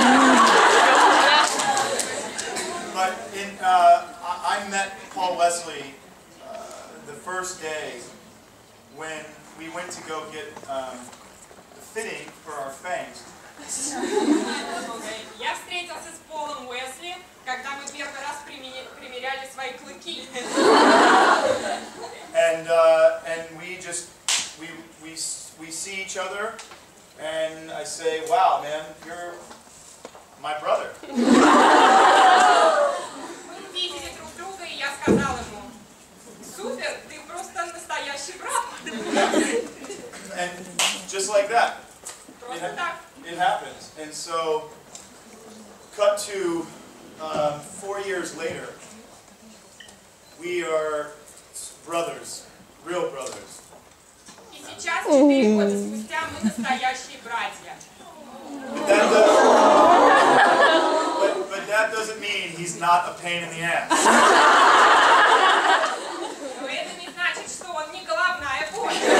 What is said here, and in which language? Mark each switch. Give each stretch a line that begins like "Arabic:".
English: But I met Paul Wesley the first day when we went to go get fitting for our fangs.
Russian: Я встретился с Полом Уэсли, когда мы первый раз примеряли свои клыки.
English: And we see each other, and I say, wow, man, you're my brother.
Russian: Мы увидели друг друга, и я сказал ему, супер, ты просто настоящий брат.
English: And just like that.
Russian: Просто так.
English: It happens. And so, cut to 4 years later, we are brothers, real brothers.
Russian: И сейчас, 4 года спустя, мы настоящие братья.
English: But that doesn't mean he's not a pain in the ass.
Russian: Но это не значит, что он не головная боль.